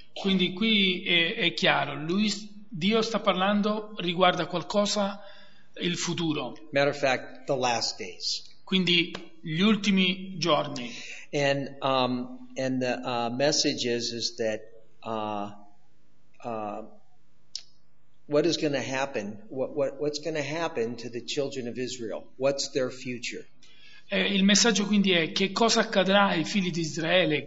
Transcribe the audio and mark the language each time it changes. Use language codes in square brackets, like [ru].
[it] Quindi qui è chiaro, Dio sta parlando riguardo a qualcosa il futuro. [en] Matter of fact, the last days. [it] Quindi gli ultimi giorni. [en] And the message is that what is going to happen? What's going to happen to the children of Israel? What's their future? [it] Il messaggio quindi è: che cosa accadrà ai figli di Israele?